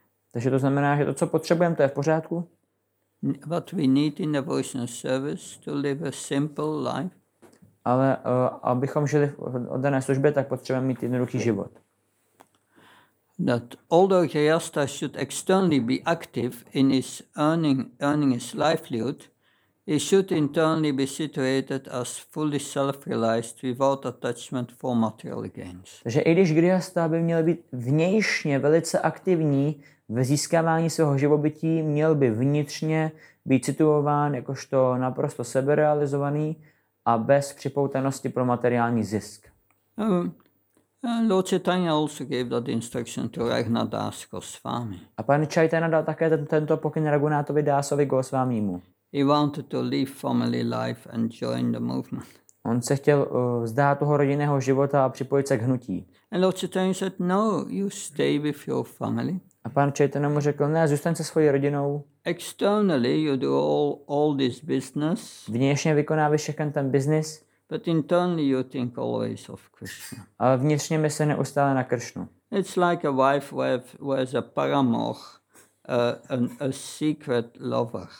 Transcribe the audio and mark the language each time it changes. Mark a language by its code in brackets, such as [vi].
[cs] Takže to znamená, že to, co potřebujeme, to je v pořádku. [en] What we need in devotional service to live a simple life. [cs] Ale abychom žili v oddané službě, tak potřebujeme mít jednoduchý život. [en] That although Grihastha should externally be active in his earning his livelihood, he should internally be situated as fully self-realized without attachment for material gains. [cs] Takže i když Grihastha by měl být vnějšně velice aktivní v získávání svého živobytí, měl by vnitřně být situován jakožto naprosto seberealizovaný a bez připoutanosti pro materiální zisk. [en] Lord Chaitanya also gave that instruction to Raghunath Das Goswami. [cs] A pan Chaitanya dal také tento pokyn Raghunathovi Dasovi Goswamimu. [en] He wanted to leave family life and join the movement. [cs] On se chtěl vzdát toho rodinného života a připojit se k hnutí. [en] And Lord Chaitanya said, no, you stay with your family. [cs] A pan Chaitanya mu řekl, ne, zůstaň se svojí rodinou. [en] Externally you do all this business. [cs] Vnějšně vykonávají všechny ten business. [en] But internally you think always of Krishna. [cs] A vnitřně myslíte neustále na Kršnu. [en] It's like a wife who has a paramour, a secret lover.